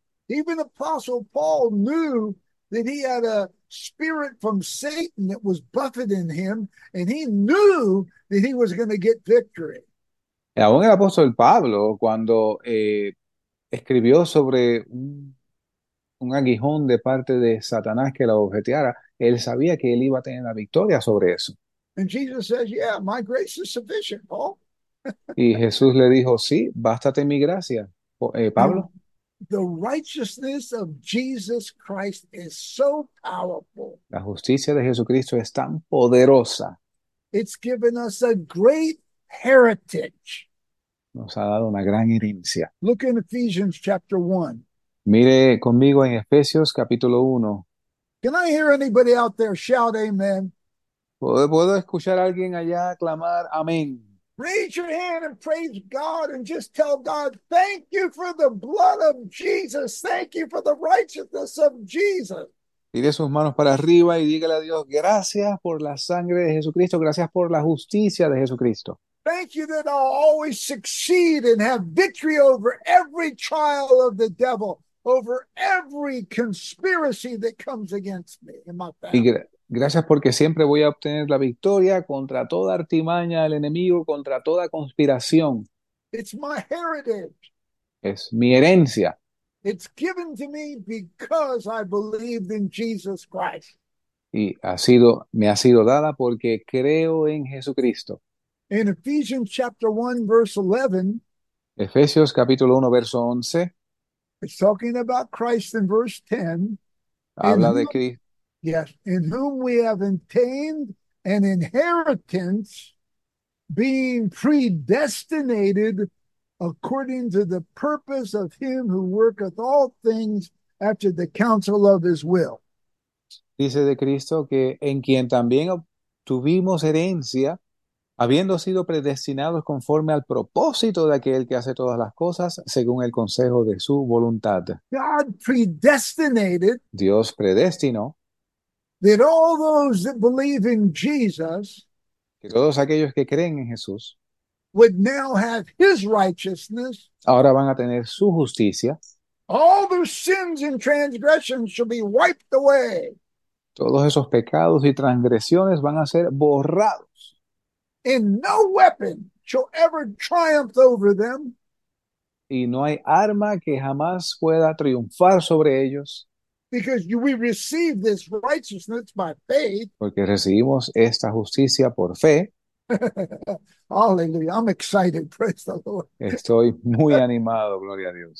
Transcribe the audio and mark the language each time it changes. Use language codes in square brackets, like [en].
[en] Even Apostle Paul knew that he had a spirit from Satan that was buffeting him, and he knew that he was going to get victory. [es] Y aún el apóstol Pablo, cuando escribió sobre un aguijón de parte de Satanás que la objetara, él sabía que él iba a tener la victoria sobre eso. [en] And Jesus says, "Yeah, my grace is sufficient, Paul." [es] Y Jesús le dijo, sí, bástate mi gracia, Pablo. [en] The righteousness of Jesus Christ is so powerful. [es] La justicia de Jesucristo es tan poderosa. [en] It's given us a great heritage. [es] Nos ha dado una gran herencia. [en] Look in Ephesians chapter 1. [es] Mire conmigo en Efesios capítulo 1. [en] Can I hear anybody out there shout amen? [es] ¿Puedo escuchar a alguien allá aclamar amén? [en] Raise your hand and praise God and just tell God, thank you for the blood of Jesus. Thank you for the righteousness of Jesus. [es] Tire sus manos para arriba y dígale a Dios, gracias por la sangre de Jesucristo, gracias por la justicia de Jesucristo. [en] Thank you that I'll always succeed and have victory over every trial of the devil, over every conspiracy that comes against me and my [es] Y [en] family. [es] gracias porque siempre voy a obtener la victoria contra toda artimaña del enemigo, contra toda conspiración. [en] It's my heritage. [es] Es mi herencia. [en] It's given to me because I believed in Jesus Christ. [es] Y me ha sido dada porque creo en Jesucristo. [en] In Ephesians chapter 1, verse 11, [es] Efesios capítulo 1, verso 11. [en] it's talking about Christ in verse 10, [es] Habla de Cristo. [en] in whom we have obtained an inheritance. Being predestinated according to the purpose of him who worketh all things after the counsel of his will. [es] Dice de Cristo que en quien también obtuvimos herencia, habiendo sido predestinados conforme al propósito de aquel que hace todas las cosas según el consejo de su voluntad. [en] God predestinated [es] Dios predestinó [en] that all those that believe in Jesus [es] que todos aquellos que creen en Jesús [en] would now have his righteousness. [es] ahora van a tener su justicia. [en] All their sins and transgressions shall be wiped away. [es] Todos esos pecados y transgresiones van a ser borrados. [en] And no weapon shall ever triumph over them. [es] Y no hay arma que jamás pueda triunfar sobre ellos. [en] Because we receive this righteousness by faith. [es] Porque recibimos esta justicia por fe. [en] Hallelujah. I'm excited. Praise the Lord. [es] Estoy muy animado, gloria a Dios.